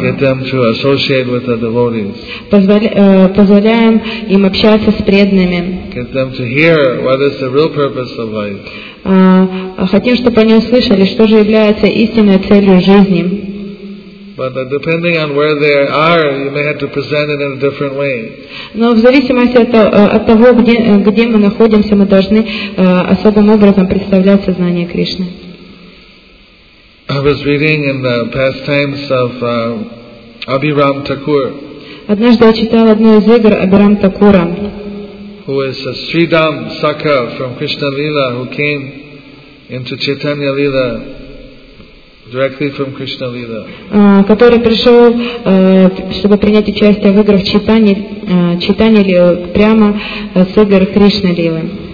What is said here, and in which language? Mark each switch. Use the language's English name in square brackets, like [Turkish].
[English] Get them to associate with the devotees. [Russian] Позволяем им общаться с преданными. [English] Get them to hear what is the real purpose of life. [Russian] Хотим, чтобы они услышали, что же является истинной целью жизни. [English] But depending on where they are, you may have to present it in a different way. [Russian] Но в зависимости от того, где мы находимся, мы должны особым образом представлять сознание Кришны. [English] I was reading in the pastimes of Abhiram Thakur. [Russian] Однажды я читал одну из игр Абхирам Такура. [English] Who is a Sridham Sakha from Krishna Lila who came into Chaitanya Lila. Directly from Krishna Lila. [Russian] Который пришел, чтобы принять участие в играх Чайтанья Лилы, прямо с игр Кришна Лилы.